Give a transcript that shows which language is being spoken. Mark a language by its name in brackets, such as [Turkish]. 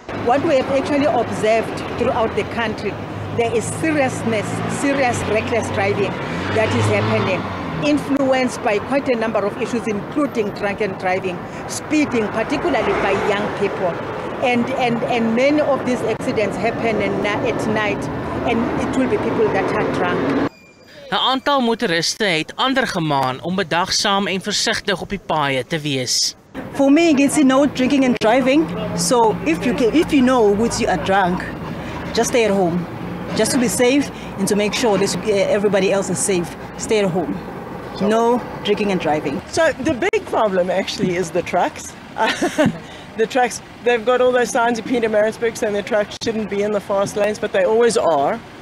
[English] What we have actually observed throughout the country, there is serious reckless driving that is happening, influenced by quite a number of issues including drunken driving, speeding, particularly by young people. And many of these accidents happen at night and it will be people that are drunk. [Afrikaans] 'N aantal motoriste het ander gemaan om bedagsaam en versigtig op die paaie te wees. [English] For me, it's no drinking and driving. So if you know what you are drunk, just stay at home. Just to be safe and to make sure this everybody else is safe. Stay at home. So, no drinking and driving. So the big problem actually is the trucks. The trucks, they've got all those signs of Peter Maritzburg saying the trucks shouldn't be in the fast lanes, but they always are.